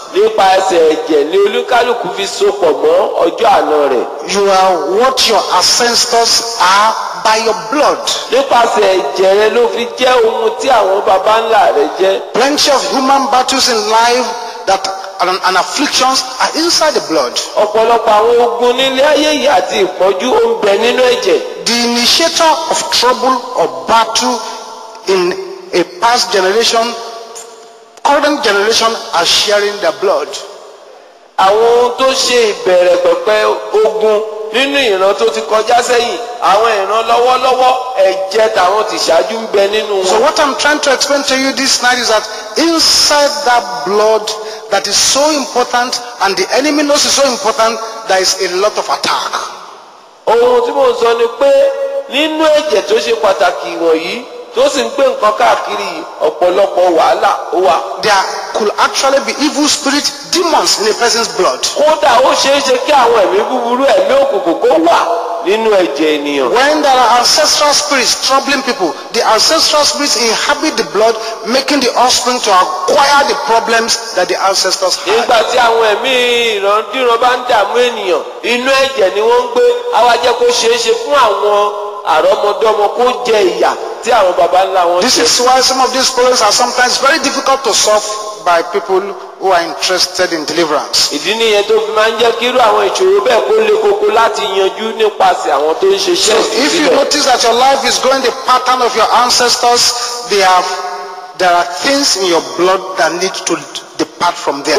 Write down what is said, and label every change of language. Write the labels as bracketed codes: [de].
[yo] Nípa ẹsẹ̀ ẹ̀jẹ̀ ni olúkálùkù fi sopọ̀ mọ́ ọjọ́ àna rẹ̀. [en] You are what your ancestors are by your blood. [yo] Nípasẹ̀ ẹ̀jẹ̀ rẹ ló fi jẹ́ ohun tí àwọn baba ńlá rẹ jẹ́. [en] Plenty of human battles in life that and afflictions are inside the blood. [yo] Ọ̀pọ̀lọpọ̀ àwọn ogun nílé ayé yìí àti ìpọ́njú ó ń bẹ nínú ẹ̀jẹ̀. [en] The initiator of trouble or battle in a past generation, current generation are sharing their blood. [yo] Àwọn ohun tó ṣe ìbẹ̀rẹ̀ pẹ̀pẹ́ ogun nínú ìran tó ti kọjá sẹ́yìn, àwọn ìran lọ́wọ́lọ́wọ́ ẹ̀jẹ̀ tàwọn ti ṣáájú ń bẹ nínú wọn. [en] So what I'm trying to explain to you this night is that inside that blood that is so important and the enemy knows is so important, there is a lot of attack. [yo] Ohun tí mo ń sọ ni pé nínú ẹ̀jẹ̀ tó ṣe pàtàkì wọ̀nyí tó sì ń gbé nǹkan káàkiri ọ̀pọ̀lọpọ̀ wàhálà ó wà. [en] There could actually be evil spirits, demons in a person's blood. [yo] Kódà ó ṣeéṣe kí àwọn ẹ̀mí búburú ẹ̀mí òkùnkùn kó wà nínú ẹ̀jẹ̀ ènìyàn. [en] When there are ancestral spirits troubling people, the ancestral spirits inhabit the blood, making the offspring to acquire the problems that the ancestors had. [yo] Nígbà tí àwọn ẹ̀mí ìrandíran bá ń dààmú ènìyàn, inú ẹ̀jẹ̀ ni wọ́n ń gbé. A wá jẹ́ kó ṣeéṣe fún àwọn àrọ́mọdọ́mọ kó jẹ ìyà tí àwọn baba ńlá wọn jẹ. [en] This is why some of these problems are sometimes very difficult to solve by people who are interested in deliverance. [yo] Ìdí nìyẹn tó fi máa ń jẹ́ kí irú àwọn ìṣòro bẹ́ẹ̀ kó le koko láti yanjú nípasẹ̀ àwọn tó ń ṣiṣẹ́. [en] So if you notice that your life is going the pattern of your ancestors, there are things in your blood that need to depart from there.